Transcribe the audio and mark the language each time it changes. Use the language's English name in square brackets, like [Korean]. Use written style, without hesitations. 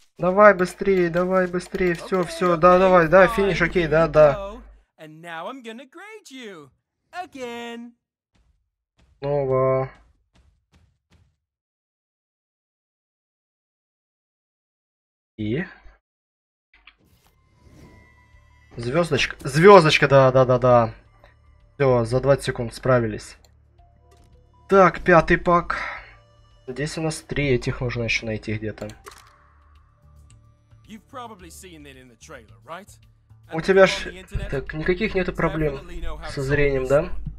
[Russian] Давай быстрее, давай быстрее. Всё, okay, всё, okay, да, okay, давай, да, финиш, окей, да, да. [English] And now I'm gonna grade you. Again. [Russian] Снова. И звездочка, звездочка, да, да, да, да. Все, за 20 секунд справились. Так, пятый пак. Здесь у нас три этих нужно еще найти где-то. [English] You've probably seen it in the trailer, right? [Russian] У тебя ж так никаких нету проблем со зрением, да?